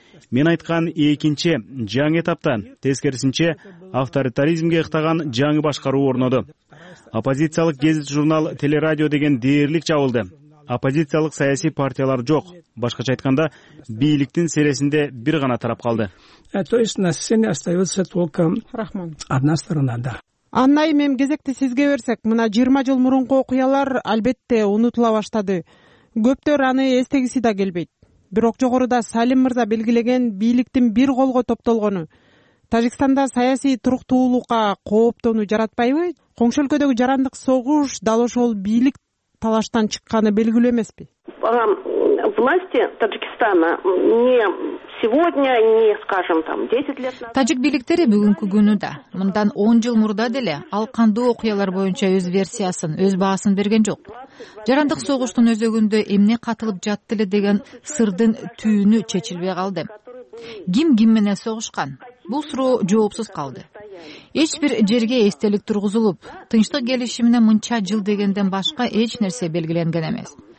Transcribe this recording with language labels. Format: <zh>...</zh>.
<ky>Мен айткан экинчи жаңы этапта тескерисинче авторитаризмге ыктаган жаңы башкаруу орноду. Оппозициялык гезит журнал Телерадио деген дээрлик жабылды. Оппозициялык саясий партиялар жок. Башкача айтканда, бийликтин сересинде бир гана тарап калды.</ky> <ru>То есть на сцене остается только Рахмон. Одна сторона, да.</ru> <ky>Анна айым, эми кезекти сизге берсек, мына 20 жыл мурунку окуялар албетте унутула баштады. Көптөр аны эстегиси да келбейт. Бирок жогоруда Салим мырза белгилеген бийликтин бир колго топтолгону Тажикстанда саясий туруктуулукка кооптонуу жаратпайбы? Коңшу өлкөдөгү жарандык согуш дал ошол бийлик талаштан чыкканы белгилүү эмеспи?</ky> <ru>Власти Таджикистана не сегодня, не, скажем, там 10 лет назад.</ru> <ky>Тажик бийликтери бүгүнкү күнү да, мындан 10 жыл мурда деле ал кандуу окуялар боюнча өз версиясын, өз баасын берген жок. Жарандык согуштун өзөгүндө эмне катылып жатты эле деген сырдын түйүнү чечилбей калды. Ким ким менен согушкан? Бул суроо жоопсуз калды. Эч бир жерге эстелик тургузулуп, тынчтык келишимине мынча жыл дегенден башка эч нерсе белгиленген эмес.</ky>